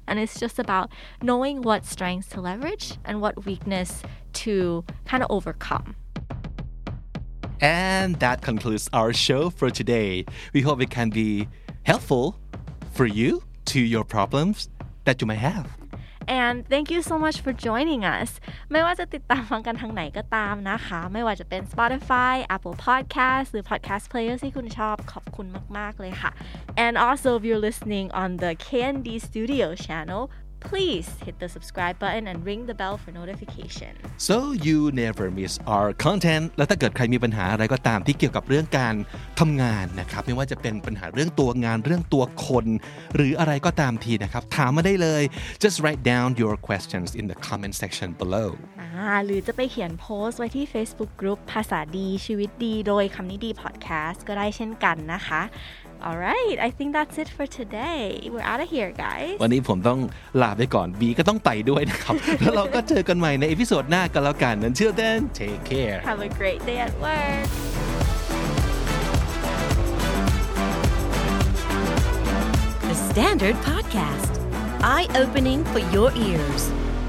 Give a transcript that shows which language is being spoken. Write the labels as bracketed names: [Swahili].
[English] And it's just about knowing what strengths to leverage and what weakness to kind of overcome. And that concludes our show for today. We hope it can be helpful for you to your problems that you might have. And thank you so much for joining us. [Thai] ไม่ว่าจะติดตามฟังกันทางไหนก็ตามนะคะไม่ว่าจะเป็น Spotify, Apple Podcast หรือ Podcast Player ที่คุณชอบขอบคุณมากๆเลยค่ะ [English] And also if you're listening on the KND Studio channel please hit the subscribe button and ring the bell for notification so you never miss our content [Thai] และถ้าเกิดใครมีปัญหาอะไรก็ตามที่เกี่ยวกับเรื่องการทำงานนะครับไม่ว่าจะเป็นปัญหาเรื่องตัวงานเรื่องตัวคนหรืออะไรก็ตามทีนะครับถามมาได้เลย [English] just write down your questions in the comment section below [Thai] หรือจะไปเขียนโพสต์ไว้ที่ Facebook group ภาษาดีชีวิตดีโดยคำนี้ดี podcast ก็ได้เช่นกันนะคะ [English] All right, I think that's it for today. We're out of here, guys. [Thai] วันนี้ผมต้องลาไปก่อน B ก็ต้องไปด้วยนะครับ แล้วเราก็เจอกันใหม่ในเอพิโซดหน้ากันแล้วกัน [English] Until then, take care. Have a great day at work. The Standard Podcast. Eye-opening for your ears.